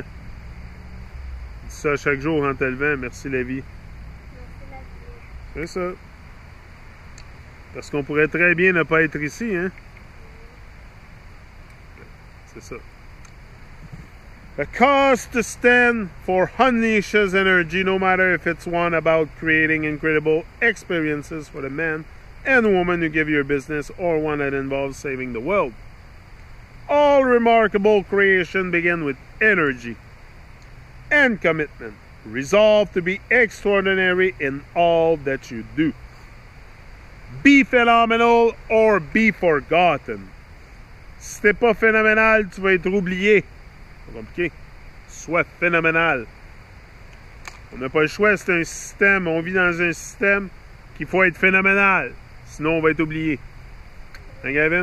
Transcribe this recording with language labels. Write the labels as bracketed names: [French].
[French] On dit ça chaque jour en te levant. Merci la vie. Merci la vie. C'est ça. Parce qu'on pourrait très bien ne pas être ici, hein? C'est ça. [English] A cause to stand for Unleashes Energy, no matter if it's one about creating incredible experiences for the men and women who give your business or one that involves saving the world. All remarkable creation begin with energy and commitment. Resolve to be extraordinary in all that you do. Be phenomenal or be forgotten. [French] Si t'es pas phénoménal, tu vas être oublié. C'est compliqué. Sois phénoménal. On n'a pas le choix, c'est un système. On vit dans un système qu'il faut être phénoménal. Sinon, on va être oublié. Hein, Gavin?